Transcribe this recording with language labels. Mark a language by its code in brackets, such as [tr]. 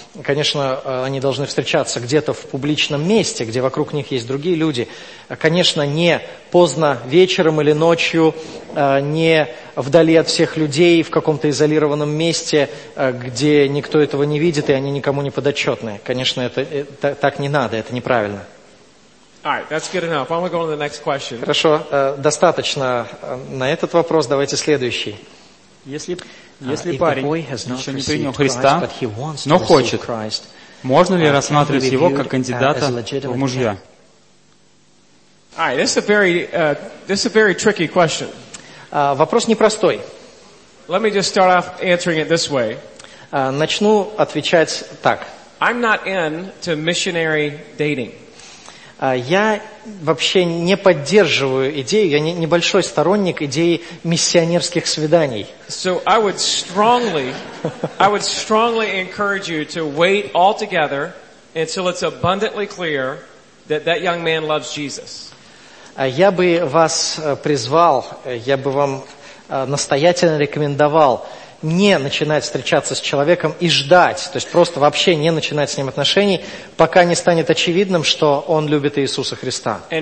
[ru] Конечно, они должны встречаться где-то в публичном месте, где вокруг них есть другие люди. Конечно, не поздно вечером или ночью, не вдали от всех людей, в каком-то изолированном месте, где никто этого не видит, и они никому не подотчетны. Конечно, это так не надо, это неправильно. [en] All right, that's good enough. I'm going to go on to the next question. [ru] Хорошо, достаточно на этот вопрос. Давайте следующий. Если парень еще не принял Христа, но хочет, можно ли рассматривать его как кандидата в мужья? [en] All right, this is a very tricky question. [ru] Вопрос непростой. [en] Let me just start off answering it this way. [ru] Начну отвечать так. [en] I'm not in to missionary dating. [ru] Я вообще не поддерживаю идею, я небольшой сторонник идеи миссионерских свиданий. [en] So I would strongly encourage you to wait altogether until it's abundantly clear that that young man loves Jesus. [ru] Я бы вас призвал, я бы вам настоятельно рекомендовал не начинать встречаться с человеком и ждать, то есть просто вообще не начинать с ним отношений, пока не станет очевидным, что он любит Иисуса Христа.